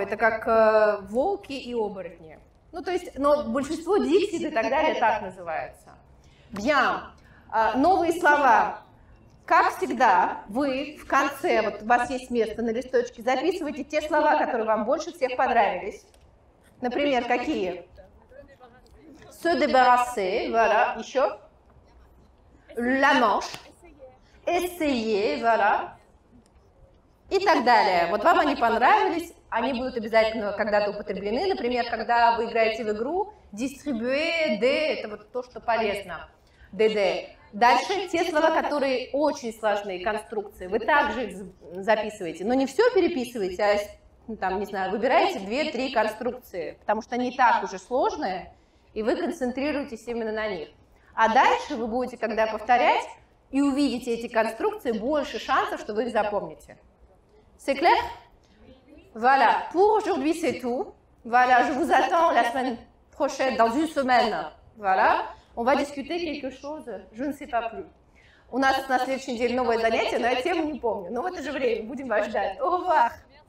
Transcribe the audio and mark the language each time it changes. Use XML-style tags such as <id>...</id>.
<ru>Это как волки и оборотни. Ну, то есть, но большинство диктит и так далее так называется.</ru> <fr>Bien.</fr> <ru>Новые слова. Как всегда, вы в конце, вот у вас есть место на листочке, записывайте те слова, которые вам больше всех понравились. Например, какие?</ru> <fr>Se débarrasser, voilà,</fr> <ru>еще.</ru> <fr>La manche. Essayer, voilà.</fr> <ru>И так далее. Вот вам они понравились, они будут обязательно когда-то употреблены. Например, когда вы играете в игру, distribuer, de, это вот то, что полезно. De-de. Дальше те слова, которые очень сложные конструкции, вы также их записываете. Но не все переписываете, а там, не знаю, выбираете 2-3 конструкции, потому что они и так уже сложные, и вы концентрируетесь именно на них. А дальше вы будете, когда повторять и увидите эти конструкции, больше шансов, что вы их запомните.</ru> <fr>C'est clair? Voilà. Pour aujourd'hui, c'est tout. Voilà. Je vous attends la semaine prochaine, dans une semaine. Voilà. On va discuter quelque chose, je ne sais pas plus.</fr> <ru>У нас на следующей неделе новое занятие, но я тему не помню. Но в это же время будем вас ждать.</ru> <fr>Au revoir!</fr>